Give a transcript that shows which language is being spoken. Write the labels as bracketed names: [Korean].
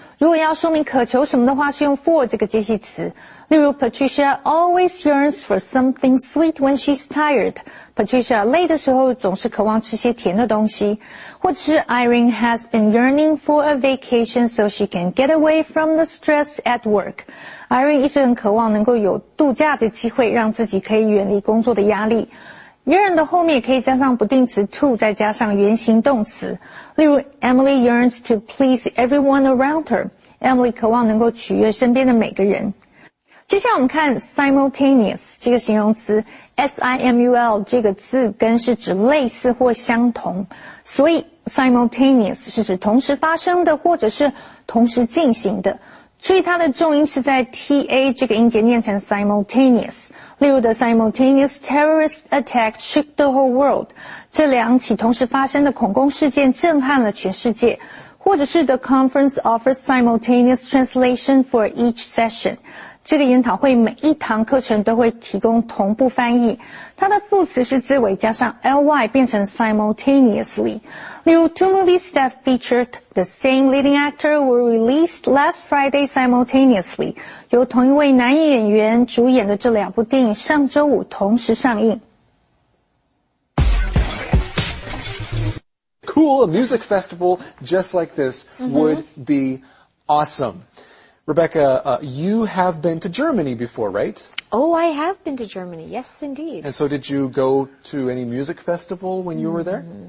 [Chinese] 如果要说明渴求什么的话，是用 for 这个介系词。例如 [English] ，Patricia always yearns for something sweet when she's tired. [Chinese] Patricia 累的时候总是渴望吃些甜的东西。或者是 [English] Irene has been yearning for a vacation so she can get away from the stress at work. [Chinese] Irene 一直很渴望能够有度假的机会，让自己可以远离工作的压力。 yearn 的后面也可以加上不定词 to， 再加上原形动词。例如 [English] ，Emily yearns to please everyone around her. [Chinese] Emily 渴望能够取悦身边的每个人。接下来我们看 simultaneous 这个形容词 ，simul 这个字根是指类似或相同，所以 simultaneous 是指同时发生的或者是同时进行的。注意它的重音是在 TA 这个音节念成 simultaneous。例如 [English] ,the simultaneous terrorist attacks shook the whole world. [Chinese] 这两起同时发生的恐攻事件震撼了全世界。或者是 [English] ,the conference offers simultaneous translation for each session. [Chinese] 这个研讨会每一堂课程都会提供同步翻译。它的副词是字尾加上 ly 变成 simultaneously。例如 [English] ,two movies that featured the same leading actor were released last Friday simultaneously. [Chinese] 由同一位男演员主演的这两部电影上周五同时上映。 [English] Cool, a music festival just like this would be awesome. Rebecca, you have been to Germany before, right? Oh, I have been to Germany. Yes, indeed. And so did you go to any music festival when you were there?